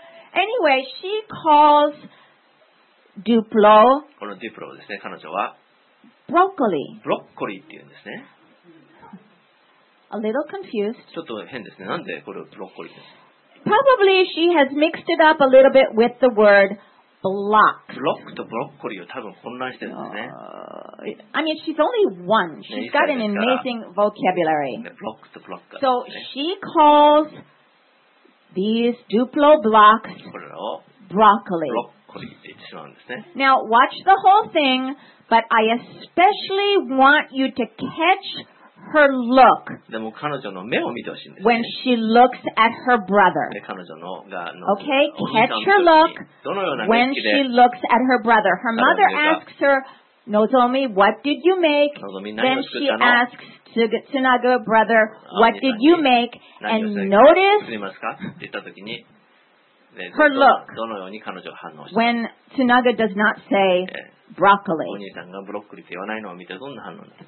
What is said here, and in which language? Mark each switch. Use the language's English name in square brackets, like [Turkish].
[English] Anyway, she calls Duplo. [Japanese] このディプロですね。彼女は [English] broccoli. [Japanese] Broccoli って言うんですね。 [English] A little confused. [Japanese] ちょっと変ですね。なんでこれ broccoli です。 [English] Probably she has mixed it up a little bit with the word. Block. [Japanese] ブロックとブロッコリーを多分混乱してるんですね。 [English] I mean, she's only one. She's got an amazing vocabulary. [Japanese] ブロックとブロッカー。 [English] So she calls these Duplo blocks broccoli. [Japanese] ブロッコリーって言ってしまうんですね。 [English] Now watch the whole thing, but I especially want you to catch her look. [Japanese] でも彼女の目を見てほしいんです、ね。 [English] When she looks at her brother. [Japanese] で彼女のが。 [English] Okay, catch her look. [Japanese] どのような目で。 [English] When she looks at her brother, her mother asks her, Nozomi, what did you make? Then she asks Tsunaga, brother, what did you make? And notice. [Japanese] 見ますか？って言った時に。 [English] Her look. [Japanese] どのように彼女は反応した。 [English] When Tsunaga does not say. Broccoli. [Japanese] お兄さんがブロッコリーって言わないのを見てどんな反応ですか?